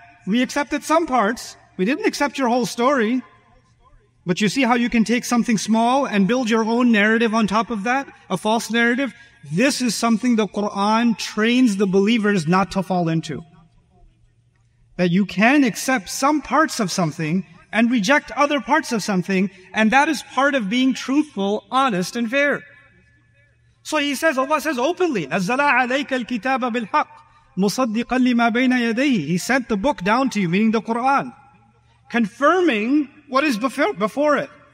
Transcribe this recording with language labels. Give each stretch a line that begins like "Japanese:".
English: We accepted some parts. We didn't accept your whole story. But you see how you can take something small and build your own narrative on top of that? A false narrative? This is something the Quran trains the believers not to fall into. That you can accept some parts of something and reject other parts of something, and that is part of being truthful, honest, and fair. So he says, Allah says openly,
Arabic: نَزَّلَ عَلَيْكَ الْكِتَابَ بِالْحَقِّ مُصَدِّقًا لِمَا بَيْنَ يَدَيْهِ.
English: He sent the book down to you, meaning the Quran, confirming what is before it.